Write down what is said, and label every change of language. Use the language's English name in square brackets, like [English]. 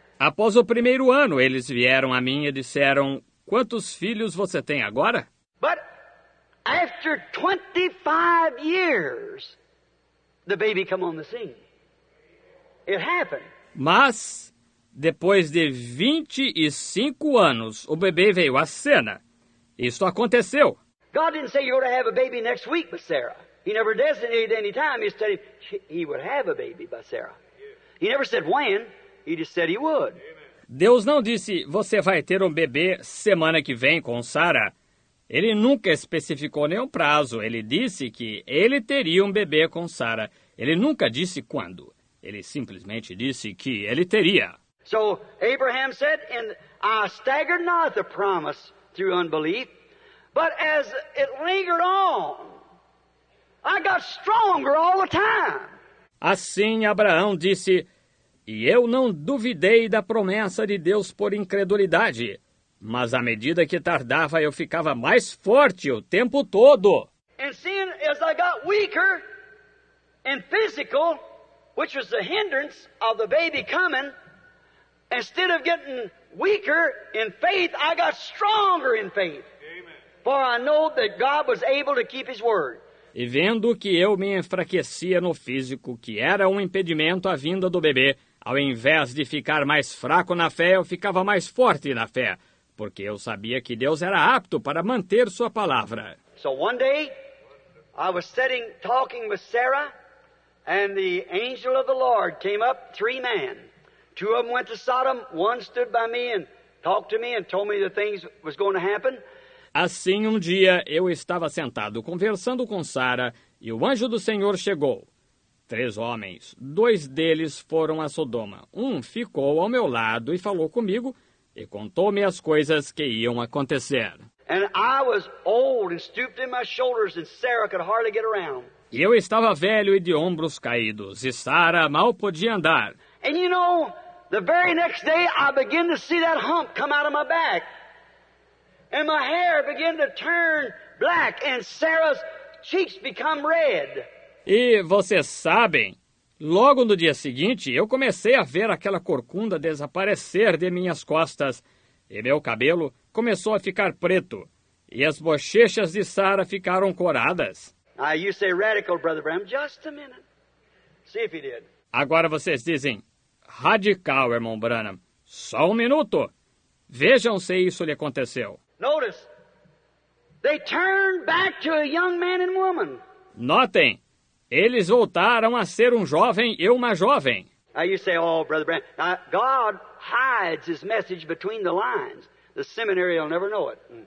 [Portuguese] Após o primeiro ano, eles vieram a mim e disseram, quantos filhos você tem agora? [English] But after 25 years, the baby come on the scene. It happened. [Portuguese] Mas... depois de 25 anos, o bebê veio à cena. Isso aconteceu. [English] God didn't say you ought to have a baby next week with Sarah. He never designated any time. He said he would have a baby by Sarah. He never said when. He just said he would. [Portuguese] Deus não disse você vai ter um bebê semana que vem com Sarah. Ele nunca especificou nenhum prazo. Ele disse que ele teria um bebê com Sarah. Ele nunca disse quando. Ele simplesmente disse que ele teria. [English] So Abraham said, and I staggered not the promise through unbelief, but as it lingered on, I got stronger all the time. [Portuguese] Assim Abraão disse, e eu não duvidei da promessa de Deus por incredulidade, mas à medida que tardava, eu ficava mais forte o tempo todo. [English] And seeing as I got weaker and physical, which was the hindrance of the baby coming, instead of getting weaker in faith, I got stronger in faith. Amen. For I know that God was able to keep his word. [Portuguese] E vendo que eu me enfraquecia no físico, que era um impedimento à vinda do bebê, ao invés de ficar mais fraco na fé, eu ficava mais forte na fé, porque eu sabia que Deus era apto para manter sua palavra. [English] So one day, I was sitting talking with Sarah, and the angel of the Lord came up, three men. Two of them went to Sodom, one stood by me and talked to me and told me the things was going to happen. [Portuguese] Assim, um dia, eu estava sentado conversando com Sara e o anjo do Senhor chegou. Três homens, dois deles foram a Sodoma. Um ficou ao meu lado e falou comigo e contou-me as coisas que iam acontecer. [English] And I was old and stooped in my shoulders and Sarah could hardly get around. [Portuguese] E eu estava velho e de ombros caídos e Sara mal podia andar. [English] And you know, the very next day I begin to see that hump come out of my back. And my hair begin to turn black and Sarah's cheeks become red. [Portuguese] E vocês sabem, logo no dia seguinte eu comecei a ver aquela corcunda desaparecer de minhas costas e meu cabelo começou a ficar preto e as bochechas de Sarah ficaram coradas. [English] Now you say radical, Brother Bram, just a minute. See if he did. [Portuguese] Agora vocês dizem radical, irmão Branham. Só um minuto. Vejam se isso lhe aconteceu. [English] Notice, they turned back to a young man and woman. [Portuguese] Notem, eles voltaram a ser um jovem e uma jovem. [English] Now you say, oh, Brother Branham, now God hides his message between the lines. The seminary will never know it.